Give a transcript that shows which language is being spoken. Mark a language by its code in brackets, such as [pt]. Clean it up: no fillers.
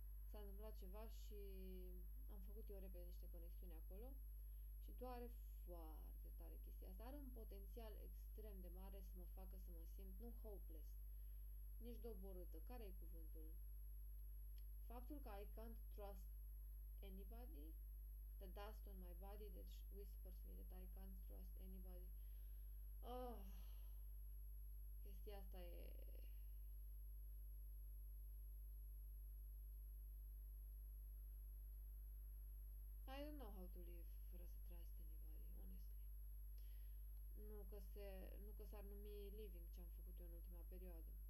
[ro] S-a întâmplat ceva și am făcut eu repede niște conexiuni acolo și doare foarte tare chestia asta. Are un potențial extrem de mare să mă facă să mă simt, nu hopeless, nici doborâtă. Care e cuvântul? Faptul că [en] I can't trust anybody, the dust on my body that whispers me that I can't trust anybody. [ro] Oh, chestia asta e... [en] I don't know how to live [ro] fără să [en] trust anybody, honestly. [ro] Nu că s-ar numi living ce am făcut eu în ultima perioadă.